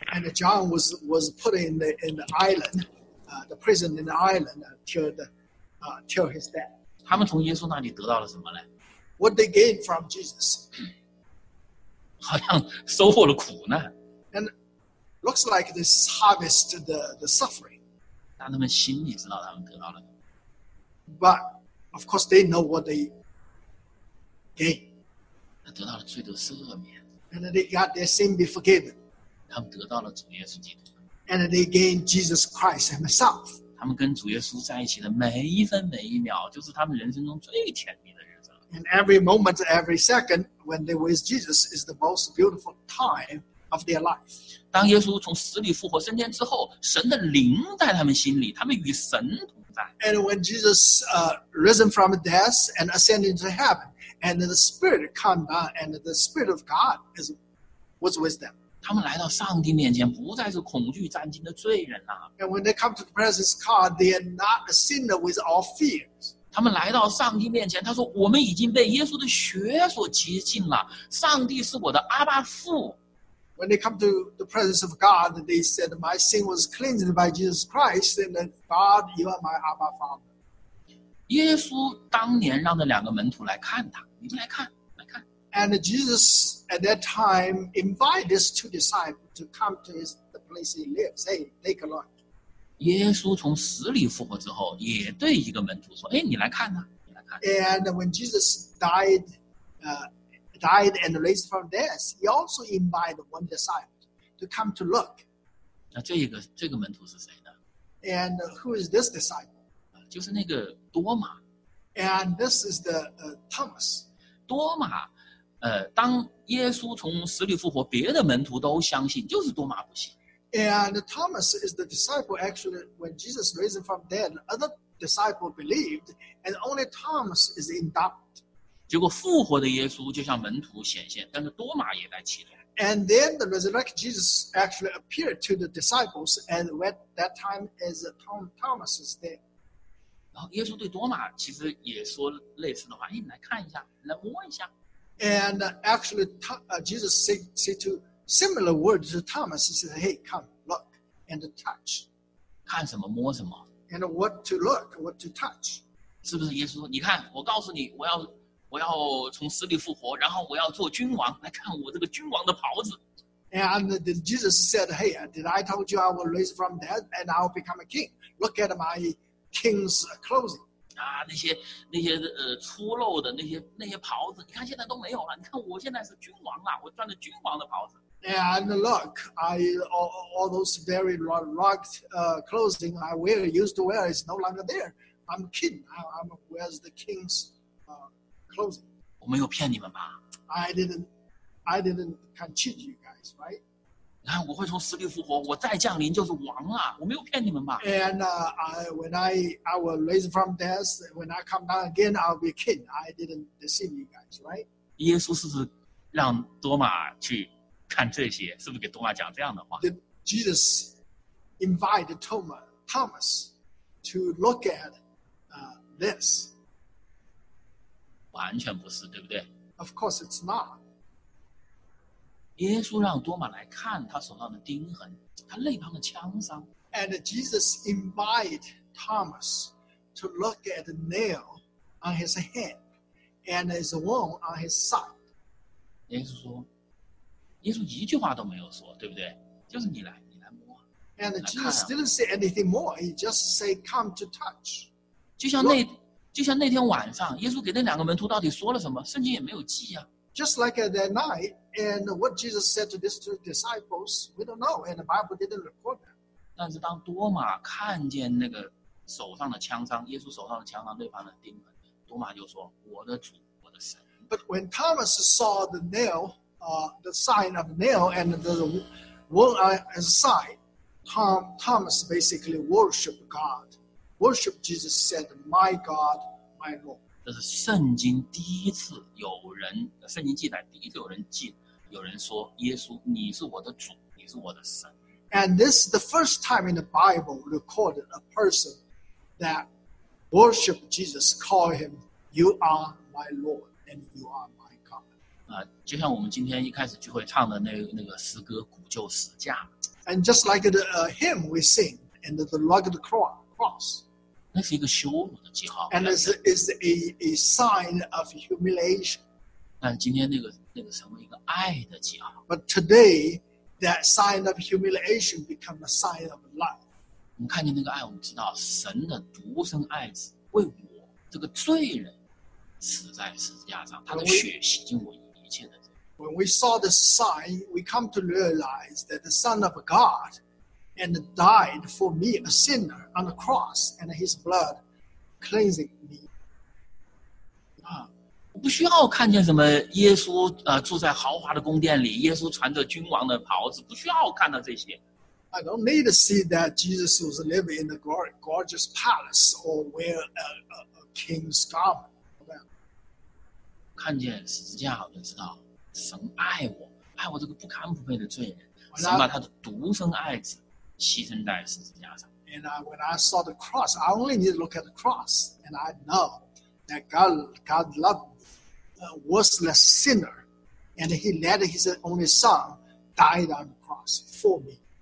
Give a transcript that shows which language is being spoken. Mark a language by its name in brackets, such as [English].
[English] And John was put in the island. The prison in the island till his death. [Chinese] 他们从耶稣那里得到了什么呢？ [English] What they gained from Jesus? [Chinese] 好像收获了苦难。 [English] And looks like they harvested the suffering. [Chinese] 但他们心里知道他们得到了。 [English] But of course they know what they gained. [Chinese] 他得到了罪的赦免。 [English] And they got their sin be forgiven. [Chinese] 他们得到了主耶稣基督。 [English] And they gain Jesus Christ Himself. [Chinese] 他们跟主耶稣在一起的每一分每一秒，就是他们人生中最甜蜜的日子。 [English] And every moment, every second, when they were with Jesus, is the most beautiful time of their life. [Chinese] 当耶稣从死里复活升天之后，神的灵在他们心里，他们与神同在。 [English] And when Jesus risen from death and ascended to heaven, and the Spirit come down, and the Spirit of God was with them. [Chinese] 他们来到上帝面前，不再是恐惧战惊的罪人了。 [English] And when they come to the presence of God, they are not a sinner with all fears. [Chinese] 他们来到上帝面前，他说：“我们已经被耶稣的血所洁净了。上帝是我的阿爸父。” [English] When they come to the presence of God, they said, "My sin was cleansed by Jesus Christ, and God, you are my Abba Father." [Chinese] 耶稣当年让那两个门徒来看他，你们来看，来看。 [English] And Jesus at that time invited his two disciples to come to his the place he lived, say, take a look. [Chinese] 耶稣从死里复活之后，也对一个门徒说：“哎，你来看呐、啊，你来看。” [English] And when Jesus died and raised from death, he also invited one disciple to come to look. [Chinese] 那这个门徒是谁呢 [English] ？And who is this disciple? [Chinese] 就是那个多马。 [English] And this is the Thomas. [Chinese] 多马，当耶稣从死里复活，别的门徒都相信，就是多马不信。 [English] And Thomas is the disciple actually when Jesus raised from dead, other disciple believed, and only Thomas is in doubt. [Chinese] 结果复活的耶稣就向门徒显现，但是多马也在其中。 [English] And then the resurrected Jesus actually appeared to the disciples, and at that time is Thomas is there. [Chinese] 然后耶稣对多马其实也说类似的话，哎，你来看一下，来问一下。 [English] And actually, Jesus said to similar words to Thomas, he said, hey, come, look, and touch. [Chinese] 看什么摸什么。 [English] And what to look, what to touch. [Chinese] 是不是耶稣说，你看，我告诉你，我要从死里复活，然后我要做君王，来看我这个君王的袍子。 [English] And Jesus said, hey, did I told you I will raise from dead and I'll become a king? Look at my king's clothing. [Chinese] 啊，那些粗陋的那些袍子，你看现在都没有了，你看我现在是君王了，我穿着君王的袍子。 [English] And look, all those very rugged clothing I wear, used to wear, is no longer there. I'm king. I'm wears the king's clothing. [Chinese] 我没有骗你们吧 [English] ？I didn't can cheat you guys, right? [Chinese] 你看，我会从死里复活，我再降临就是王了。我没有骗你们吧 [English] ？And when I will raise from death, when I come down again, I'll be king. I didn't deceive you guys, right? [Chinese] 耶稣是不是让多马去？看这些是不是给多马讲这样的话 [English] Jesus invited Thomas to look at this. [Chinese] 完全不是对不对 [English] Of course it's not. [Chinese] 耶稣让多马来看他手上的钉痕他肋旁的枪伤 [English] And Jesus invited Thomas to look at the nail on his hand and his wound on his side. [Chinese] 耶稣说耶稣一句话都没有说，对不对？就是你来摸。 [English] And Jesus didn't say anything more. He just said, "Come to touch." [Chinese] 就像那天晚上，耶稣给那两个门徒到底说了什么？圣经也没有记啊。 [English] Just like that night, and what Jesus said to these two disciples, we don't know, and the Bible didn't record that. [Chinese] 但是当多马看见那个手上的枪伤，耶稣手上的枪伤，对方的钉痕，多马就说：“我的主，我的神。” [English] But when Thomas saw the nail. The sign of nail and the wound as a sign, Thomas basically worship God, worship Jesus said, "My God, my Lord." [Chinese] 这是圣经第一次有人，圣经记载第一次有人说耶稣，你是我的主，你是我的神。 [English] And this is the first time in the Bible recorded a person that worship Jesus, call him, "You are my Lord and you are my." [Chinese] 就像我们今天一开始聚会唱的那个诗歌《古旧十架》 [English] ，And just like the hymn we sing, and the rugged cross, [Chinese] 那是一个羞辱的记号 [English] ，And is a sign of humiliation. [Chinese] 但今天那个成为一个爱的记号。 [English] But today, that sign of humiliation become a sign of love. [Chinese] 我们看见那个爱，我们知道神的独生爱子为我这个罪人死在十字架上，他的血洗净我。 [English] When we saw this sign, we come to realize that the Son of God and died for me, a sinner, on the cross, and his blood cleansing me. [Chinese] 我不需要看见什么耶稣住在豪华的宫殿里，耶稣穿着君王的袍子，不需要看到这些。 [English] I don't need to see that Jesus was living in a gorgeous palace or wear a king's garment. [Chinese] 看见十字架，我就知道神爱我，爱我这个不堪不配的罪人。神把他的独生爱子牺牲在十字架上。 [English] And when I saw the cross, I only need to look at the cross, and I know that God loved a worthless sinner, and He let His only Son die on the cross for me.